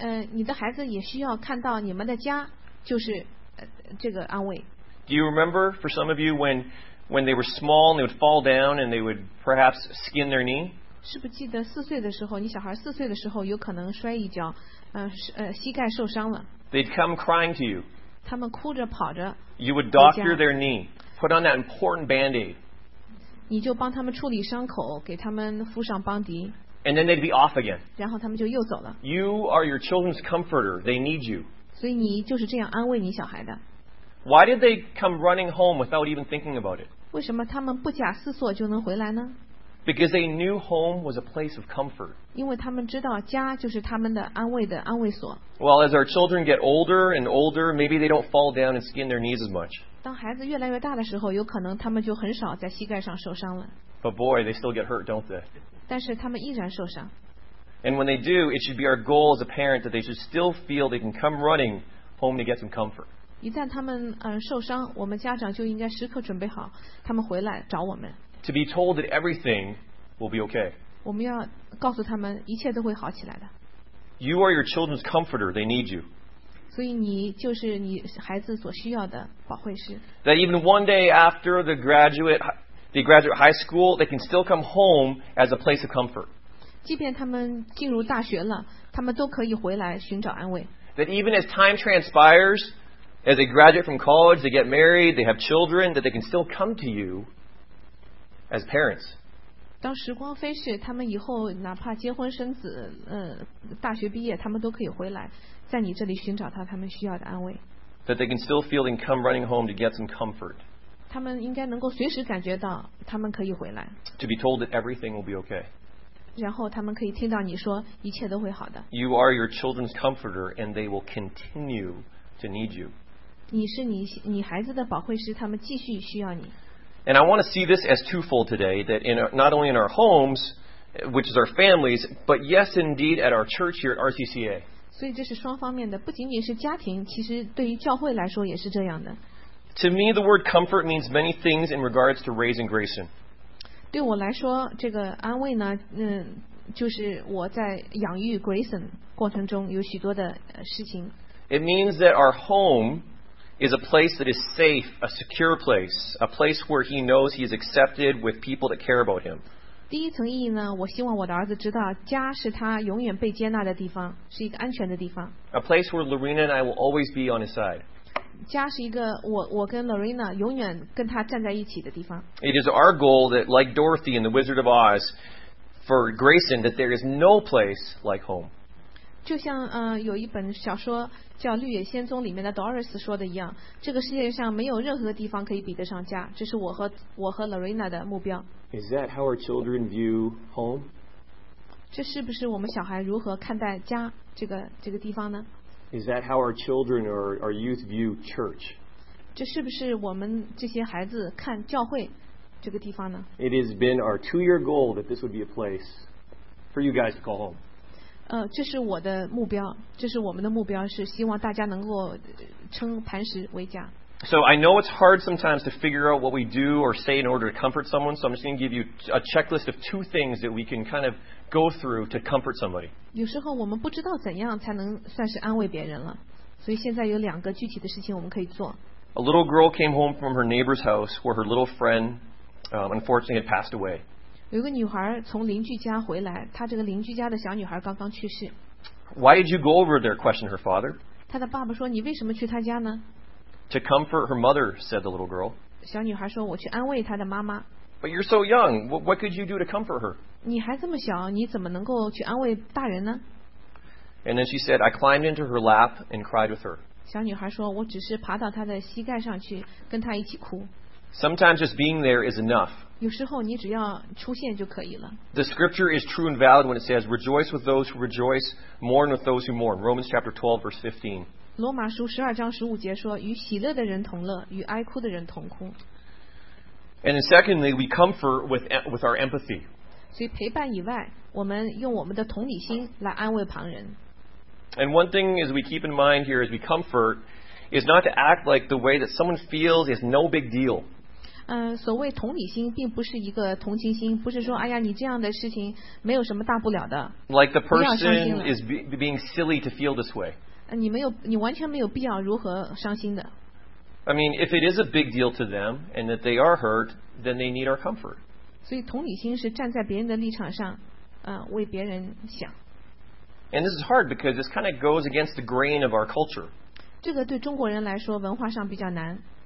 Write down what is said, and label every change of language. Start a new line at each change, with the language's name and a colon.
Chinese: 你的孩子也需要看到你们的家就是这个安慰。
English: Do you remember, for some of you, when they were small and they would fall down and they would perhaps skin their knee?
Chinese: 是不记得四岁的时候，你小孩四岁的时候有可能摔一跤，膝盖受伤了。
English: They'd come crying to you.
Chinese: 他们哭着跑着。
English: You would doctor their knee. Put on that important band-aid.
Chinese: 你就帮他们处理伤口，给他们敷上邦迪。
English: And then they'd be off again.
Chinese: 然后他们就又走了。
English: You are your children's comforter. They need you.
Chinese: 所以你就是这样安慰你小孩的。
English: Why did they come running home without even thinking about it?
Chinese: 为什么他们不假思索就能回来呢？
English: Because they knew home was a place of comfort.
Chinese: 因为他们知道家就是他们的安慰的安慰所。
English: Well, as our children get older and older, maybe they don't fall down and skin their knees as much.
Chinese: 当孩子越来越大的时候，有可能他们就很少在膝盖上受伤了。
English: But boy, they still get hurt, don't they?
Chinese: 但是他们依然受伤。
English: And when they do, it should be our goal as a parent that they should still feel they can come running home to get some comfort.
Chinese: 一旦他们受伤，我们家长就应该时刻准备好，他们回来找我们。
English: To be told that everything will be okay.
Chinese: 我们要告诉他们一切都会好起来的。
English: You are your children's comforter. They need you.
Chinese: 所以你就是你孩子所需要的保惠师。
English: That even one day after they graduate high school, they can still come home as a place of comfort.
Chinese: 即便他们进入大学了，他们都可以回来寻找安慰。
English: That even as time transpires, as they graduate from college, they get married, they have children, that they can still come to you. As parents,
Chinese: 当时光飞逝，他们以后哪怕结婚生子，大学毕业，他们都可以回来，在你这里寻找他们需要的安慰。
English: That they can still feel and come running home to get some comfort.
Chinese: 他们应该能够随时感觉到他们可以回来。
English: To be told that everything will be okay.
Chinese: 然后他们可以听到你说一切都会好的。
English: You are your children's comforter, and they will continue to need you.
Chinese: 你是你孩子的保惠师，他们继续需要你。
English: And I want to see this as twofold today, that not only in our homes, which is our families, but yes, indeed, at our church here at RCCA.
Chinese: 所以这是双方面的，不仅仅是家庭，其实对于教会来说也是这样的。
English: To me, the word comfort means many things in regards to raising Grayson.
Chinese: 对我来说，这个安慰呢，就是我在养育 Grayson 过程中有许多的事情。
English: It means that our home... is a place that is safe, a secure place, a place where he knows he is accepted with people that care about him.
Chinese: 第一层意义呢，我希望我的儿子知道，家是他永远被接纳的地方，是一个安全的地方。
English: A place where Lorena and I will always be on his side.
Chinese: 家是一个我跟 Lorena 永远跟他站在一起的地方。
English: It is our goal that, like Dorothy in The Wizard of Oz, for Grayson, that there is no place like home.
Chinese: 就像有一本小说叫《绿野仙踪》里面的 Doris 说的一样，这个世界上没有任何地方可以比得上家，这是我和 Lorena 的目标。
English: Is that how our children view home?
Chinese: 这是不是我们小孩如何看待家这个地方呢？
English: Is that how our children or our youth view church?
Chinese: 这是不是我们这些孩子看教会这个地方呢？
English: It has been our two-year goal that this would be a place for you guys to call home.
Chinese: 这是我的目标，这是我们的目标，是希望大家能够称磐石为家。
English: So I know it's hard sometimes to figure out what we do or say in order to comfort someone, so I'm just going to give you a checklist of two things that we can kind of go through to comfort somebody.
Chinese: 有时候我们不知道怎样才能算是安慰别人了，所以现在有两个具体的事情我们可以做。
English: A little girl came home from her neighbor's house where her little friend, unfortunately had passed away.
Chinese: 有个女孩从邻居家回来，她这个邻居家的小女孩刚刚去世。
English: Why did you go over there? Questioned her father.
Chinese: 她的爸爸说：“你为什么去她家呢？”
English: To comfort her mother, said the little girl.
Chinese: 小女孩说：“我去安慰她的妈妈。”
English: But you're so young. What could you do to comfort her?
Chinese: 你还这么小，你怎么能够去安慰大人呢？
English: And then she said, I climbed into her lap and cried with her.
Chinese: 小女孩说：“我只是爬到她的膝盖上去，跟她一起哭。”
English: Sometimes just being there is enough.
Chinese: 有时候你只要出现就可以了。
English: The scripture is true and valid when it says, "Rejoice with those who rejoice, mourn with those who mourn." Romans chapter 12, verse 15.
Chinese: 罗马书十二章十五节说：“与喜乐的人同乐，与哀哭的人同哭。”
English: And then secondly, we comfort with our empathy.
Chinese: 所以陪伴以外，我们用我们的同理心来安慰旁人。
English: And one thing is we keep in mind here as we comfort is not to act like the way that someone feels is no big deal.
Chinese: 所谓同理心并不是一个同情心，不是说哎呀你这样的事情没有什么大不了的。
English: Like the person is being silly to feel this way.
Chinese: 你完全没有必要如何伤心的。
English: I mean, if it is a big deal to them and that they are hurt, then they need our comfort.
Chinese: 所以同理心是站在别人的立场上，为别人想。
English: And this is hard because this kind of goes against the grain of our culture.
Chinese: 这个对中国人来说文化上比较难。